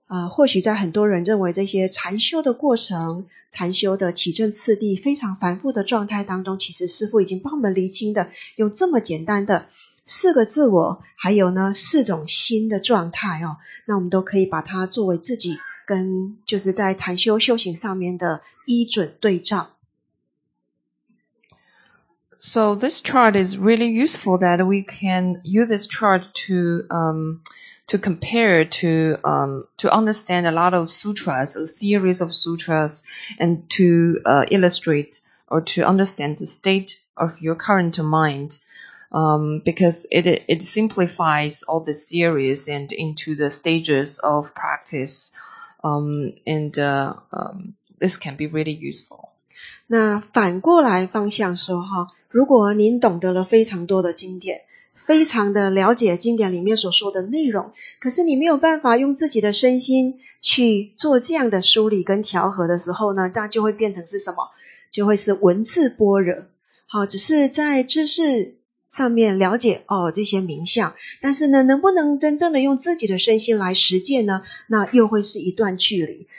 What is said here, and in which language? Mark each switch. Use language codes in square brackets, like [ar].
[zh] 或许在很多人认为这些禅修的过程、禅修的起正次第非常繁复的状态当中，其实师父已经帮我们厘清的，用这么简单的四个自我，还有呢四种心的状态哦，那我们都可以把它作为自己跟就是在禅修修行上面的依准对照。 [en] So this chart is really useful that we can use this chart to compare to understand a lot of sutras, a series of sutras, and to illustrate or to understand the state of your current mind, because it simplifies all the series and into the stages of practice, this can be really useful. [zh] 那反过来方向说哈。如果您懂得了非常多的经典，非常的了解经典里面所说的内容，可是你没有办法用自己的身心去做这样的梳理跟调和的时候呢，那就会变成是什么？就会是文字般若。好，只是在知识上面了解哦这些名相，但是呢能不能真正的用自己的身心来实践呢，那又会是一段距离。